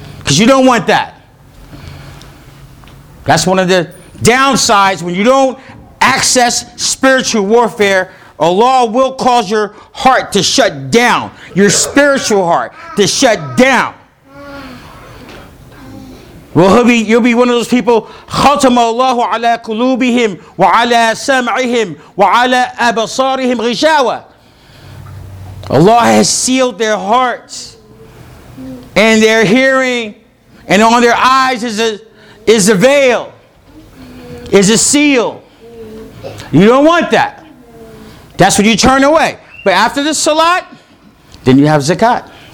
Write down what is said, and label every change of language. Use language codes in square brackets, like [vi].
[en] Because you don't want that. That's one of the downsides. When you don't access spiritual warfare, Allah will cause your heart to shut down. Your spiritual heart to shut down. Well, you'll be one of those people, [ar] خَتَمَ اللَّهُ عَلَىٰ قُلُوبِهِمْ وَعَلَىٰ سَمْعِهِمْ وَعَلَىٰ أَبَصَارِهِمْ غِشَاوَةً. [en] Allah has sealed their hearts and their hearing, and on their eyes is a veil, is a seal. You don't want that. That's when you turn away. But after the Salat, then you have Zakat.